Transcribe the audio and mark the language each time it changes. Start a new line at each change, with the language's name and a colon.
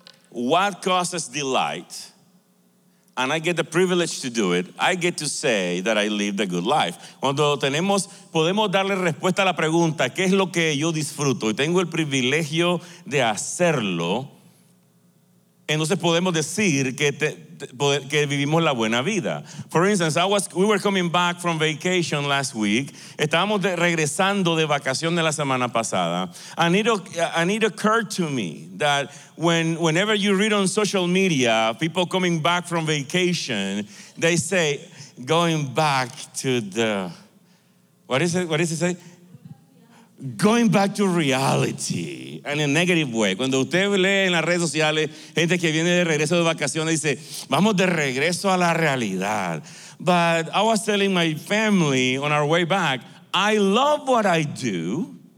English: what causes delight, and I get the privilege to do it, I get to say that I lived a good life.
Spanish: Cuando tenemos, podemos darle respuesta a la pregunta, ¿qué es lo que yo disfruto? Y tengo el privilegio de hacerlo, entonces podemos decir que vivimos la buena vida.
English: For instance, we were coming back from vacation last week.
Spanish: Estábamos regresando de vacación de la semana pasada.
English: And it occurred to me that whenever you read on social media, people coming back from vacation, they say, going back to the, what is it? What does it say? Going back to reality in a negative way.
Spanish: Cuando usted lee en las redes sociales gente que viene de regreso de vacaciones dice, vamos de regreso a la realidad.
English: But I was telling my family on our way back, I love what I do.